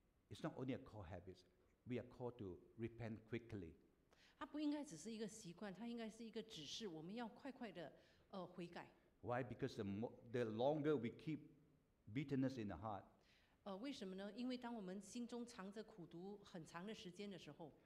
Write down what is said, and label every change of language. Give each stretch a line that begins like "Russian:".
English: It's not only a core habit. We are called to repent quickly.
Chinese: 它不应该只是一个习惯，它应该是一个指示，我们要快快的悔改。
English: Why? Because the longer we keep bitterness in the heart.
Chinese: 为什么呢？因为当我们心中藏着苦毒很长的时间的时候